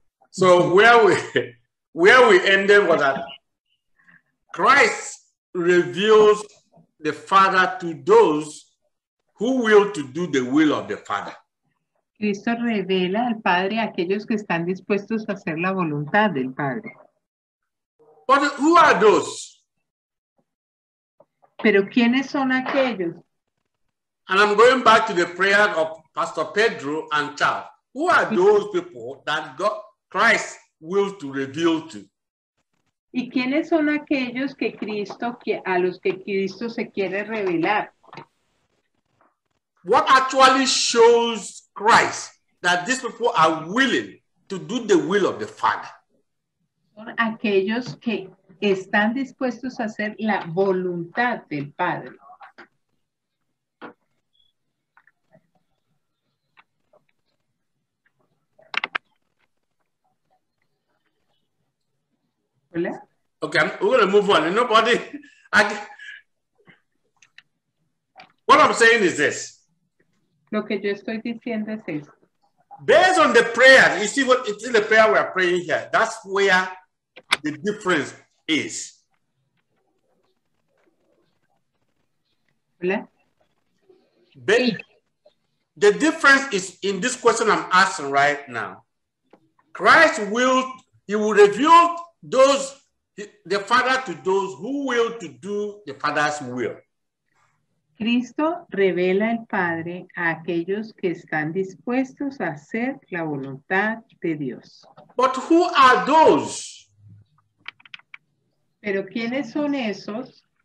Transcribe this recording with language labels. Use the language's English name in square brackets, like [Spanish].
[English] So where we ended was that Christ reveals the Father to those who will to do the will of the Father. [Spanish] Cristo revela al Padre a aquellos que están dispuestos a hacer la voluntad del Padre. [English] But who are those? [Spanish] Pero ¿quiénes son aquellos? [English] And I'm going back to the prayer of Pastor Pedro and Charles. Who are those people that God, Christ will to reveal to? [Spanish] ¿Y quiénes son aquellos que Cristo, a los que Cristo se quiere revelar? [English] What actually shows Christ that these people are willing to do the will of the Father? [Spanish] Son aquellos que están dispuestos a hacer la voluntad del Padre. Hola. [English] Okay, we're going to move on. Nobody. What I'm saying is this. [Spanish] Lo que yo estoy diciendo es esto. [English] Based on the prayer, you see what it is, the prayer we are praying here. That's where the difference is. [Spanish] Hola. [English] The difference is in this question I'm asking right now. Christ will, he will reveal those, the Father to those who will to do the Father's will. [Spanish] Cristo revela al Padre a aquellos que están dispuestos a hacer la voluntad de Dios. [English] But who are those? [Spanish] ¿Pero quiénes son esos?